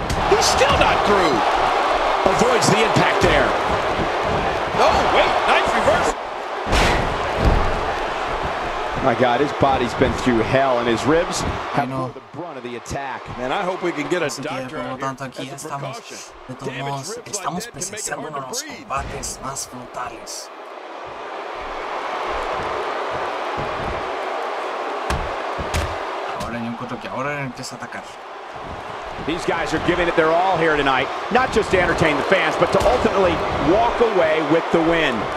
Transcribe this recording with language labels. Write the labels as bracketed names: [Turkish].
[English] He's still not through. Avoids the impact there. No, wait, nice reverse. My God, his body's been through hell, and his ribs have the brunt of the attack. Man, I hope we can get a doctor. [Spanish] Por lo tanto, aquí estamos. De todos modos, estamos presenciando uno de los combates más brutales. Ahora yo encuentro que ahora empieza a atacar. [English] These guys are giving it their all here tonight, not just to entertain the fans, but to ultimately walk away with the win.